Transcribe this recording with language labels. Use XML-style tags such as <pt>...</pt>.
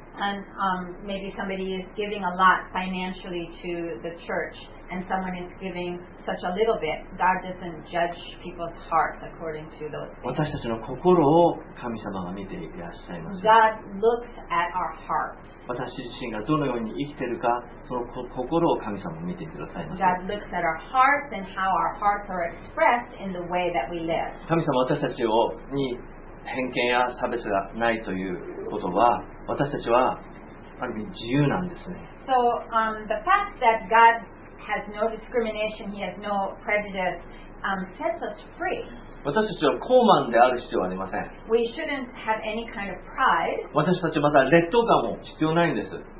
<en>And, maybe somebody is giving a lot financially to the church, and someone is giving such a little bit. God doesn't judge people's hearts according to those things.</en> <ja>私たちの心を神様が見ていらっしゃいます。</ja> <en>God looks at our hearts.</en> <ja>私自身がどのように生きているか、その心を神様が見てくださいます。</ja> <en>God looks at our hearts and how our hearts are expressed in the way that we live.</en> <ja>神様は私たちに偏見や差別がないということは、私たちはある意味自由なんですね。</ja> <en>So, the fact that God has no discrimination, He has no prejudice, sets us free.</en> <ja>私たちは高慢である必要はありません。</ja> <en>We shouldn't have any kind of pride.</en> <ja>私たちはまた劣等感も必要ないんです。</ja>